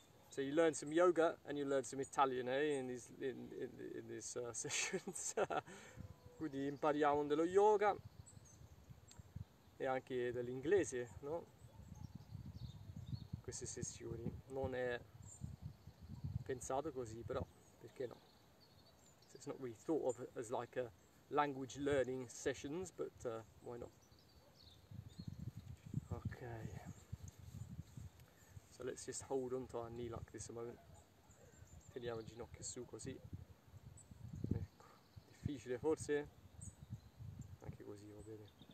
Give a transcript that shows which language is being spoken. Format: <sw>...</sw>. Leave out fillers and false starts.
<en>So you learn some yoga and you learn some Italian, in these sessions.</en> <it>Quindi impariamo dello yoga e anche dell'inglese, no? Queste sessioni non è pensato così, però perché no?</it> <en>So it's not really thought of as like a language learning sessions, but why not? Ok. So let's just hold on to our knee like this a moment.</en> <it>Teniamo il ginocchio su così. Ecco. Difficile forse? Anche così va bene.</it>